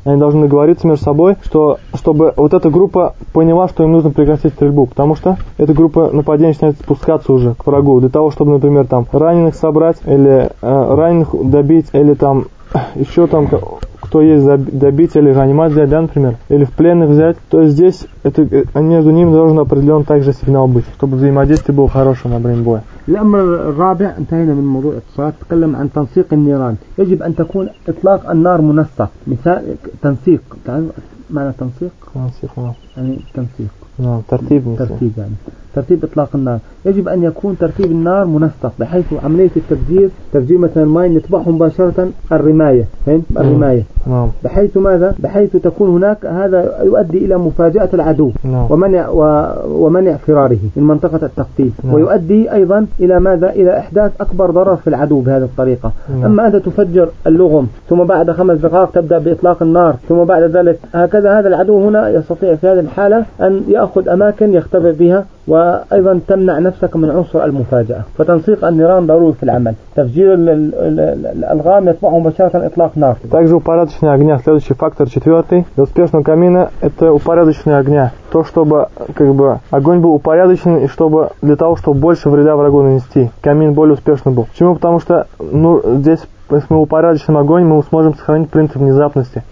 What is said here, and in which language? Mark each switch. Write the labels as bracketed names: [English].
[Russian] Они должны договориться между собой, чтобы вот эта группа поняла, что им нужно прекратить стрельбу, потому что эта группа нападения начинает спускаться уже к врагу, для того, чтобы, например, там раненых собрать или раненых добить, или там еще там кто есть добить или ранимать взять, да, например, или в пленных взять, то здесь это между ними должен определен также сигнал быть, чтобы взаимодействие было хорошим во время боя. [Arabic] الأمر الرابع انتهينا من موضوع الاتصالات، تكلم عن تنسيق النيران. يجب أن تكون إطلاق النار منسق، مثال تنسيق، تعرف معنى تنسيق؟ تنسيق يعني تنسيق. نعم ترتيب. ترتيب يعني ترتيب إطلاق النار. يجب أن يكون ترتيب النار منسق بحيث عملية التفجير، تفجير مثلا ماي يتبعه مباشرة الرماية، فهم؟ الرماية. نعم. بحيث ماذا؟ بحيث تكون هناك هذا يؤدي إلى مفاجأة العدو. نعم. ومنع فراره من منطقة التقتيل. نعم. ويؤدي أيضا إلى ماذا؟ إلى إحداث أكبر ضرر في العدو بهذه الطريقة. نعم. أما أنت تفجر اللغم ثم بعد خمس دقائق تبدأ بإطلاق النار ثم بعد ذلك هكذا، هذا العدو هنا يستطيع في هذه الحالة أن يأخذ أماكن يختبئ بها، وأيضا تمنع نفسك من عنصر المفاجأة. فتنسيق النيران ضروري في العمل، تفجير الألغام يتبعه مباشرة إطلاق نار. [Russian] также упорядочение огня. Следующий фактор, четвертый, для успешного камина это упорядочение огня. То, чтобы как бы огонь был упорядочен и чтобы для того, чтобы больше вреда врагу нанести, камин более успешный был. Почему? Потому что если мы упорядочим огонь, мы сможем сохранить принцип внезапности.